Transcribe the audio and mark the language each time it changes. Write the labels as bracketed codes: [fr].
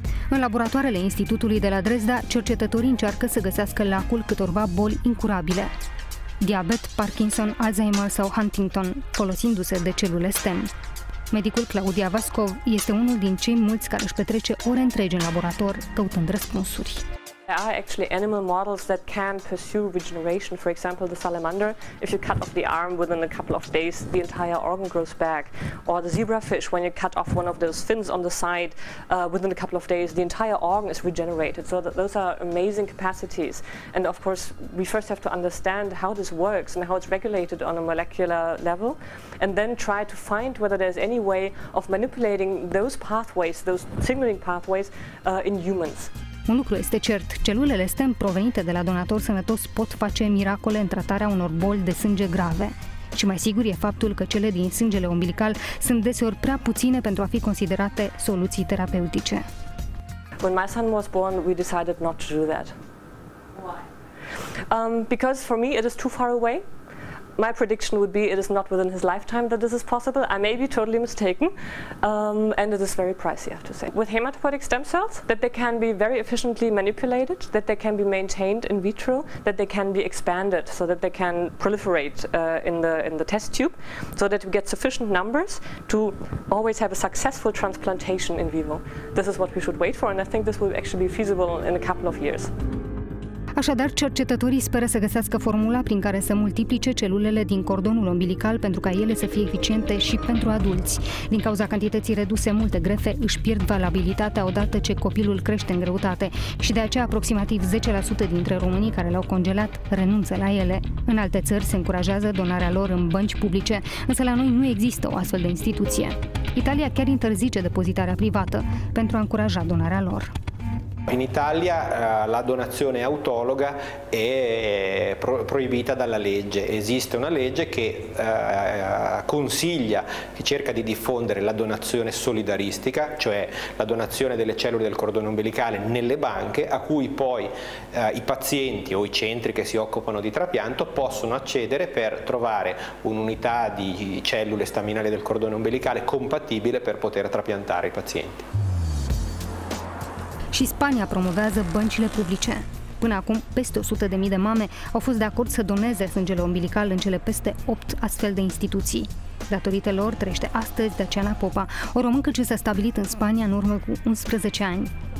[ro] În laboratoarele Institutului de la Dresda, cercetătorii încearcă să găsească lacul câtorva boli incurabile. Diabet, Parkinson, Alzheimer sau Huntington, folosindu-se de celule STEM. Medicul Claudia Vascov este unul din cei mulți care își petrece ore întregi în laborator căutând răspunsuri. [en] There are actually animal models that can pursue regeneration. For example, the salamander, if you cut off the arm within a couple of days, the entire organ grows back. Or the zebrafish, when you cut off one of those fins on the side, within a couple of days, the entire organ is regenerated. So those are amazing capacities. And of course, we first have to understand how this works and how it's regulated on a molecular level, and then try to find whether there's any way of manipulating those pathways, those signaling pathways, in humans. [ro] Un lucru este cert, celulele STEM provenite de la donator sănătos pot face miracole în tratarea unor boli de sânge grave. Și mai sigur e faptul că cele din sângele umbilical sunt deseori prea puține pentru a fi considerate soluții terapeutice. [en] When my son was born, we decided not to do that. Why? Because for me it is too far away. My prediction would be it is not within his lifetime that this is possible. I may be totally mistaken, and it is very pricey, I have to say. With hematopoietic stem cells, that they can be very efficiently manipulated, that they can be maintained in vitro, that they can be expanded so that they can proliferate in the test tube, so that we get sufficient numbers to always have a successful transplantation in vivo. This is what we should wait for, and I think this will actually be feasible in a couple of years. [ro] Așadar, cercetătorii speră să găsească formula prin care să multiplice celulele din cordonul ombilical pentru ca ele să fie eficiente și pentru adulți. Din cauza cantității reduse, multe grefe își pierd valabilitatea odată ce copilul crește în greutate și de aceea aproximativ 10% dintre românii care l-au congelat renunță la ele. În alte țări se încurajează donarea lor în bănci publice, însă la noi nu există o astfel de instituție. Italia chiar interzice depozitarea privată pentru a încuraja donarea lor. [it] In Italia la donazione autologa è proibita dalla legge. Esiste una legge che consiglia, che cerca di diffondere la donazione solidaristica, cioè la donazione delle cellule del cordone ombelicale nelle banche, a cui poi i pazienti o i centri che si occupano di trapianto possono accedere per trovare un'unità di cellule staminali del cordone ombelicale compatibile per poter trapiantare i pazienti. [ro] Și Spania promovează băncile publice. Până acum, peste 100.000 de mame au fost de acord să doneze sângele ombilical în cele peste 8 astfel de instituții. Datorită lor, trăiește astăzi Daciana Popa, o româncă ce s-a stabilit în Spania în urmă cu 11 ani.